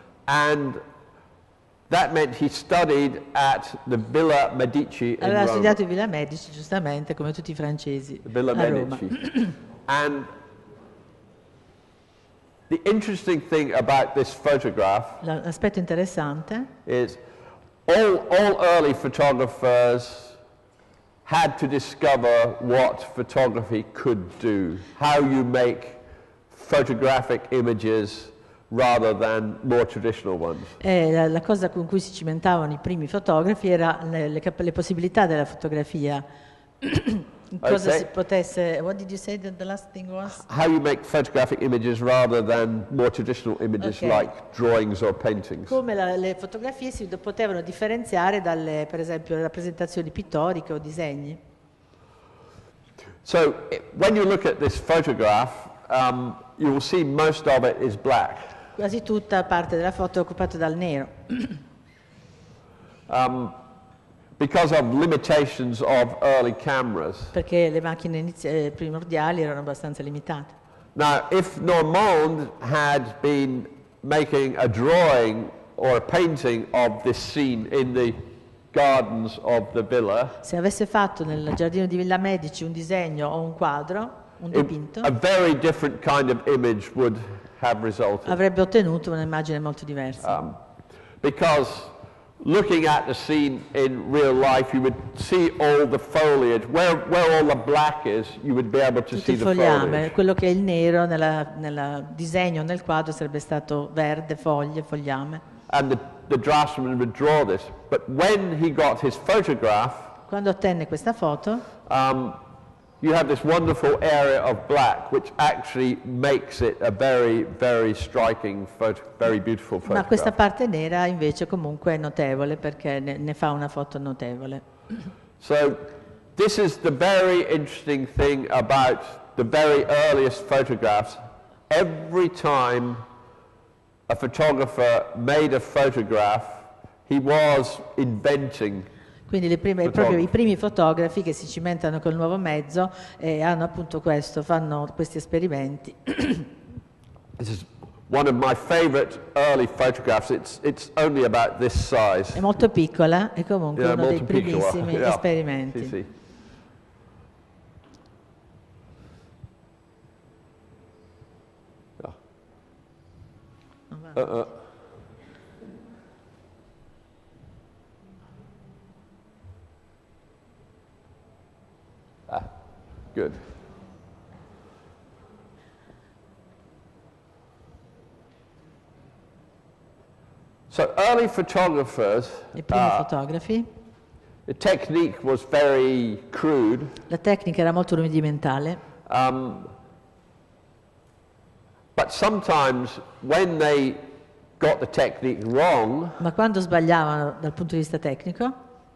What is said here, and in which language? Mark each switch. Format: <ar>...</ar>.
<en>And that meant he studied at the Villa Medici in</en> <it>Aveva</it> <en>Rome.</en> <it>Studiato in Villa Medici, giustamente, come tutti i francesi. Villa a Medici. Roma.</it> <en>And the interesting thing about this photograph.</en> <it>L'aspetto interessante.</it> <en>Is all early photographers had to discover what photography could do, how you make photographic images rather than more traditional ones.</en> <it>La cosa con cui si cimentavano i primi fotografi era le possibilità della fotografia. Cosa si potesse.</it> <en>What did you say that the last thing was? How you make photographic images rather than more traditional images, okay, like drawings or paintings.</en> <it>Come le fotografie si potevano differenziare dalle, per esempio, rappresentazioni pittoriche o disegni.</it> <en>So when you look at this photograph, you will see most of it is black.</en> <it>Quasi tutta parte della foto è occupata dal nero.</it> <en>Because of limitations of early cameras.</en> <it>Perché le macchine primordiali erano abbastanza limitate.</it> <en>Now, if Normand had been making a drawing or a painting of this scene in the gardens of the villa.</en> <it>Se avesse fatto nel giardino di Villa Medici un disegno o un quadro, un dipinto,</it> <en>a very different kind of image would have resulted.</en> <it>Avrebbe ottenuto un'immagine molto diversa.</it> <en>Because looking at the scene in real life, you would see all the foliage. Where all the black is, you would be able to</en> <it>tutti</it> <en>see</en> <it>il fogliame,</it> <en>the foliage.</en> <it>Quello che è il nero nel disegno, nel quadro, sarebbe stato verde, foglie, fogliame.</it> <en>And the draftsman would draw this. But when he got his photograph,</en> <it>quando ottenne questa foto,</it> <en>you have this wonderful area of black which actually makes it a very, very striking photo, very beautiful photo.</en> <it>Ma questa parte nera invece comunque è notevole perché ne fa una foto notevole.</it> <en>So this is the very interesting thing about the very earliest photographs. Every time a photographer made a photograph, he was inventing.</en> <it>Quindi i primi fotografi che si cimentano col nuovo mezzo e hanno appunto questo, fanno questi esperimenti.</it> <en>This is one of my favorite early photographs. It's only about this size.</en> <it>È molto piccola e comunque uno dei primissimi esperimenti. Sì, sì.</it> <en>Good. So early photographers,</en> <it>i primi fotografi,</it> <en>the technique was very crude.</en> <it>La tecnica era molto rudimentale.</it> <en>But sometimes when they got the technique wrong,</en> <it>ma quando sbagliavano dal punto di vista tecnico,</it>